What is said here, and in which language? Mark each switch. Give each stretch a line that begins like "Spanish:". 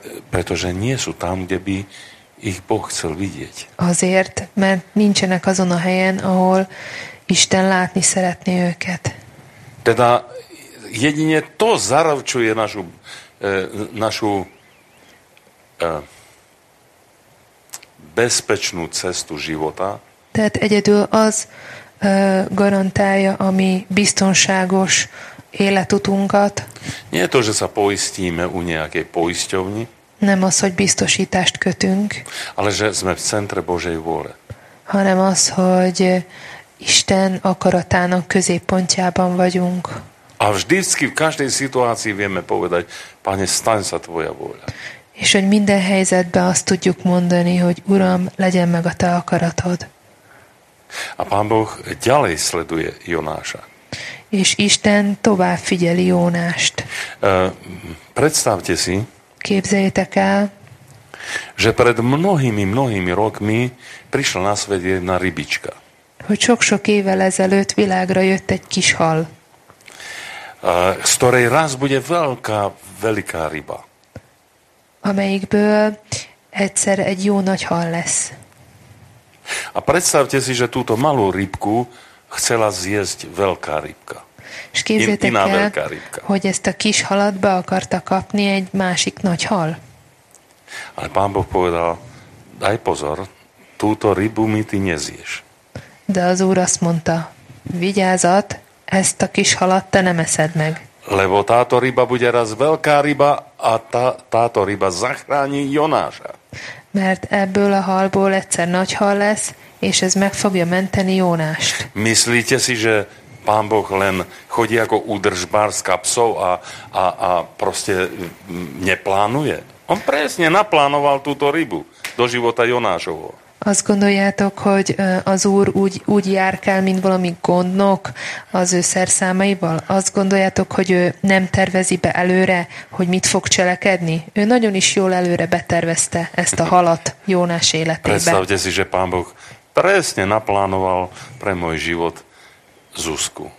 Slovak: Pretože nie sú tam, kde by ich Boh chcel vidieť.
Hungarian: Azért, mert nincsenek azon a helyen, ahol Isten látni szeretné őket.
Slovak: Teda jedine to zaručuje našu bezpečnú cestu života.
Hungarian: Tehát egyedül az garantálja a mi biztonságos életutunkat.
Slovak: Nie je to, že sa poistíme u nejakej poisťovni.
Hungarian: Nem az, hogy biztosítást kötünk.
Slovak: Ale že sme v centre Božej vôle.
Hungarian: Hanem az, hogy Isten akaratának középpontjában vagyunk.
Slovak: A vždycky v každej situácii vieme povedať, Pane, staň sa tvoja vôľa.
Hungarian: És hogy minden helyzetben azt tudjuk mondani, hogy Uram, legyen meg a te akaratod.
Slovak: A Pán Boh ďalej sleduje Jonáša.
Hungarian: És Isten tovább figyeli Jónást.
Slovak: Predstavte si,
Hungarian: képzeljétek el,
Slovak: že pred mnohými rokmi prišla na svet jedna rybička.
Hungarian: Hogy sok-sok évvel ezelőtt világra jött egy kis hal.
Slovak: Z ktorej raz bude veľká ryba.
Hungarian: Amelyikből egyszer egy jó nagy hal lesz.
Slovak: A predstavte si, že túto malú rybku chcela zjesť veľká rybka. Iná veľká rybka.
Hungarian: Hogy ezt a kis halat be akarta kapni egy másik nagy hal.
Slovak: Ale Pán Boh povedal, daj pozor, túto rybu mi ty nezieš.
Hungarian: De az Úr azt mondta, vigyázat, ezt a kis halat te nem eszed meg.
Slovak: Lebo táto ryba bude raz veľká ryba a táto ryba zachrání Jonáša.
Hungarian: Mert ebből a halból egyszer nagy hal lesz, és ez meg fogja menteni Jónást.
Slovak: Myslíte si, že Pán Boh len chodí ako údržbár s kapsou a proste neplánuje? On presne naplánoval túto rybu do života Jonášovho.
Hungarian: Azt gondoljátok, hogy az Úr úgy járkál, mint valami gondnok az ő szerszámaival? Azt gondoljátok, hogy ő nem tervezi be előre, hogy mit fog cselekedni? Ő nagyon is jól előre betervezte ezt a halat Jónás életébe.
Slovak: Predstavte si, že Pán Boh presne naplánoval pre môj život Zuzku.